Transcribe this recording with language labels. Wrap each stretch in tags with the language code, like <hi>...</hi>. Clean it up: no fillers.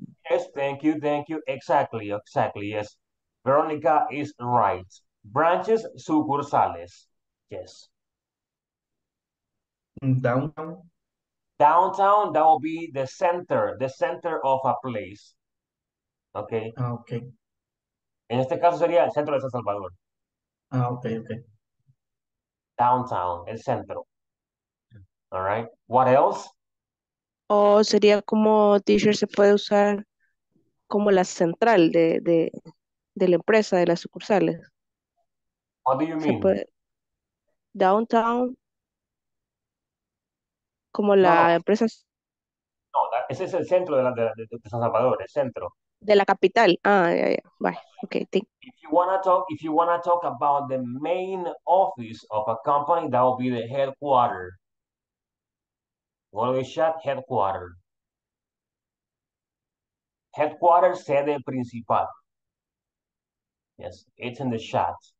<en>Yes, thank you. Exactly, yes. Veronica is right. Branches, sucursales. Yes. Downtown. Downtown, that will be the center of a place. Okay. Okay.</en> <es>En este caso sería el centro de San Salvador.</es> <en>Okay. Downtown,</en> <es>el centro.</es> <en>All right. What else?</en> <es>Oh, sería como teacher se puede usar como la central de la empresa, de las sucursales.</es> <en>What do you mean?</en> <es>Downtown, como la empresa. No, ese es el centro de San Salvador, el centro. De la capital.</es> <en>Ah, yeah, yeah. Bye. Okay, thank you. If you wanna talk about the main office of a company, that would be the headquarter. What is that? Headquarter. Headquarter,</en> <es>sede principal.</es> <en>Yes, it's in the chat.</en>